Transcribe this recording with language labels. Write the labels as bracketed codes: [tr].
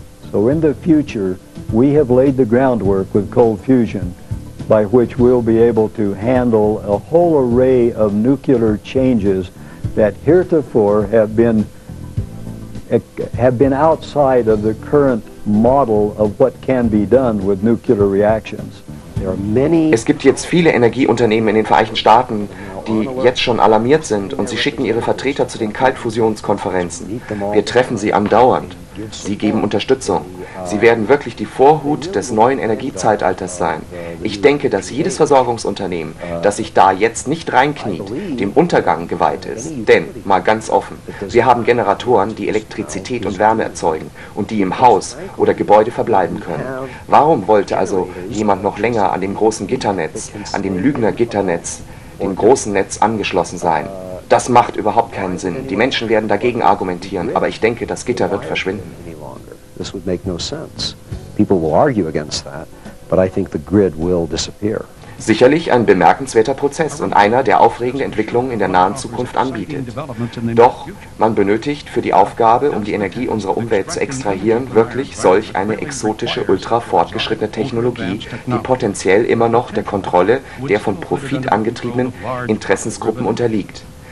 [en] So in the future we have laid the groundwork with cold fusion, by which we'll be able to handle a whole array of nuclear changes that heretofore have been outside of the current model of what can be done with nuclear reactions. [de] Es gibt jetzt viele Energieunternehmen in den Vereinigten Staaten, die jetzt schon alarmiert sind, und sie schicken ihre Vertreter zu den Kaltfusionskonferenzen. Wir treffen sie andauernd. Sie geben Unterstützung. Sie werden wirklich die Vorhut des neuen Energiezeitalters sein. Ich denke, dass jedes Versorgungsunternehmen, das sich da jetzt nicht reinkniet, dem Untergang geweiht ist. Denn, mal ganz offen, wir haben Generatoren, die Elektrizität und Wärme erzeugen und die im Haus oder Gebäude verbleiben können. Warum wollte also jemand noch länger an dem großen Gitternetz, an dem Lügner-Gitternetz, dem großen Netz angeschlossen sein? Das macht überhaupt keinen Sinn. Die Menschen werden dagegen argumentieren, aber ich denke, das Gitter wird verschwinden. [en] This would make no sense. People will argue against that, but I think the grid will disappear. [de] Sicherlich ein bemerkenswerter Prozess und einer, der aufregende Entwicklungen in der nahen Zukunft anbietet. Doch man benötigt für die Aufgabe, um die Energie unserer Umwelt zu extrahieren, wirklich solch eine exotische, ultra fortgeschrittene Technologie, die potenziell immer noch der Kontrolle der von Profit angetriebenen Interessensgruppen unterliegt.